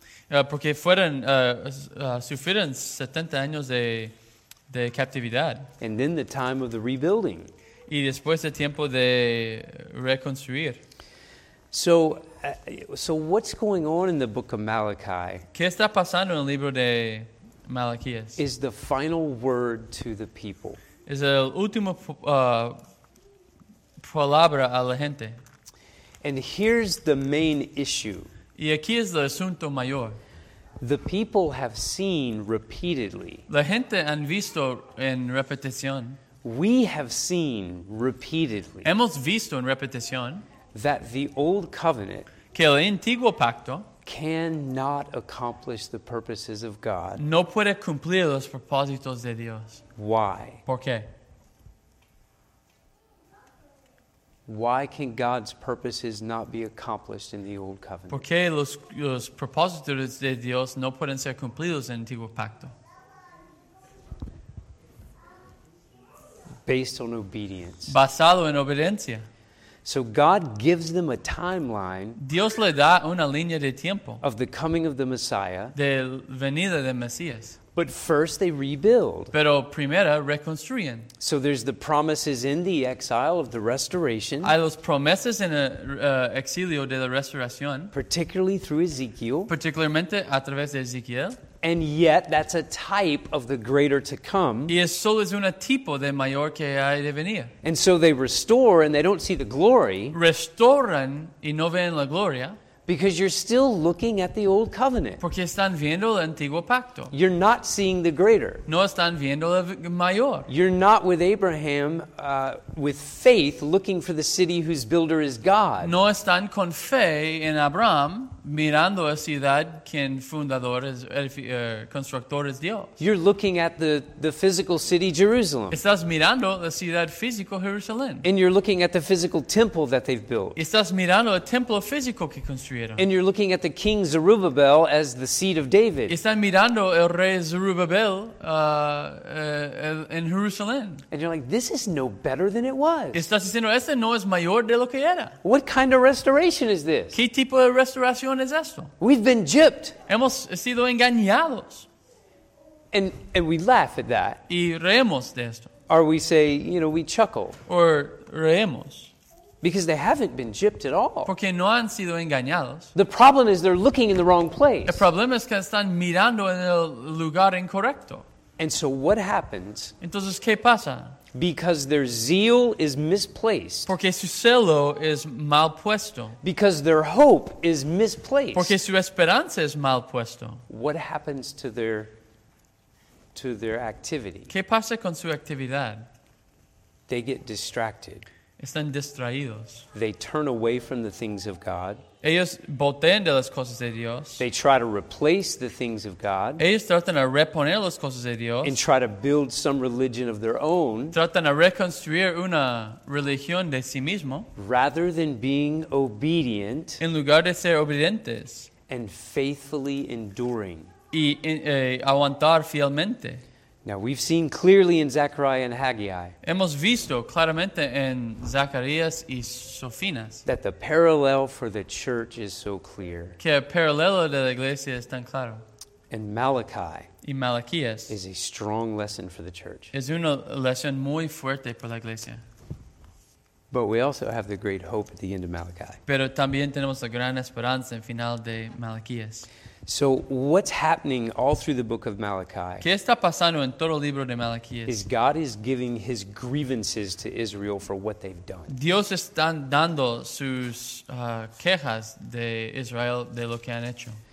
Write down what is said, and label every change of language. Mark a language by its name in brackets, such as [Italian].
[Spanish] Porque fueron sufrieron 70 años de captividad. [English] And then the time of the rebuilding. [Spanish] Y después el tiempo de reconstruir. [English] So what's going on in the book of Malachi? [Spanish] ¿Qué está pasando en el libro de Malaquías? [English] Is the final word to the people. [Spanish] Es el último palabra a la gente. [English] And here's the main issue. [Spanish] Y aquí es el asunto mayor. [English] the people have seen repeatedly. [Spanish] La gente han visto en repetición. [English] We have seen repeatedly. [Spanish] Hemos visto en repetición. [English] That the old covenant. [Spanish] Que el antiguo pacto. [English] Cannot accomplish the purposes of God. [Spanish] No puede cumplir los propósitos de Dios. [English] Why? [Spanish] ¿Por qué? [English] Why can God's purposes not be accomplished in the old covenant? [Spanish] ¿Por qué los propósitos de Dios no pueden ser cumplidos en el antiguo pacto? [English] Based on obedience. [Spanish] Basado en obediencia. [English] So God gives them a timeline. [Spanish] Dios le da una línea de tiempo. [English] Of the coming of the Messiah. [Spanish] De la venida del Mesías. [English] But first they rebuild. [Spanish] Pero primero reconstruyen. [English] So there's the promises in the exile of the restoration. [Spanish] Hay los promesas en el exilio de la restauración. [English] Particularly through Ezekiel. [Spanish] Particularmente a través de Ezekiel. [English] And yet that's a type of the greater to come. [Spanish] Y eso es un tipo de mayor que hay de venir. [English] And so they restore and they don't see the glory. [Spanish] Restauran y no ven la gloria. [English] Because you're still looking at the old covenant. [Spanish] Porque están viendo el antiguo pacto. [English] You're not seeing the greater. [Spanish] No están viendo el mayor. [English] You're not with Abraham with faith looking for the city whose builder is God. [Spanish] No están con fe en Abraham mirando a ciudad quien fundador es constructor es Dios. [English] You're looking at the physical city Jerusalem. [Spanish] Estás mirando la ciudad física Jerusalén. [English] And you're looking at the physical temple that they've built. [Spanish] Estás mirando el templo físico que construyeron. [English] And you're looking at the king Zerubbabel as the seed of David. [Spanish] Están mirando el rey Zerubbabel en Jerusalén. [English] And you're like, this is no better than it was. [Spanish] Estás diciendo, este no es mayor de lo que era. [English] What kind of restoration is this? [Spanish] ¿Qué tipo de restauración es esto? [English] We've been gypped. [Spanish] Hemos sido engañados. [English] And we laugh at that. [Spanish] Y reemos de esto. [English] Or we say, you know, we chuckle. [Spanish] Or reemos. [English] Because they haven't been gypped at all. [Spanish] Porque no han sido engañados. [English] The problem is they're looking in the wrong place. [Spanish] El problema es que están mirando en el lugar incorrecto. [English] And so what happens? [Spanish] Entonces, ¿qué pasa? [English] Because their zeal is misplaced. [Spanish] Porque su celo es mal puesto. [English] Because their hope is misplaced. [Spanish] Porque su esperanza es mal puesto. [English] What happens to their activity? [Spanish] ¿Qué pasa con su actividad? [English] They get distracted. [Spanish] Están distraídos. [English] They turn away from the things of God. [Spanish] Ellos voltean de las cosas de Dios. [English] They try to replace the things of God. [Spanish] Ellos tratan de reponer las cosas de Dios. [English] And try to build some religion of their own. [Spanish] Tratan de reconstruir una religión de sí mismo. [English] Rather than being obedient. [Spanish] En lugar de ser obedientes. [English] And faithfully enduring. [Spanish] Y aguantar fielmente. [English] Now we've seen clearly in Zechariah and Haggai. [Spanish] Hemos visto claramente en Zacarías y Sofinas. [English] That the parallel for the church is so clear. [Spanish] Que el paralelo de la iglesia es tan claro. [English] And Malachi. [Spanish] Y Malaquías. [English] Is a strong lesson for the church. [Spanish] Es una lección muy fuerte para la iglesia. [English] But we also have the great hope at the end of Malachi. [Spanish] Pero también tenemos la gran esperanza en final de Malaquías. [English] So what's happening all through the book of Malachi? [Spanish] ¿Qué está pasando en todo el libro de Malaquías? [English] Is God is giving his grievances to Israel for what they've done. [Spanish] Dios está dando sus quejas de Israel de lo que han hecho.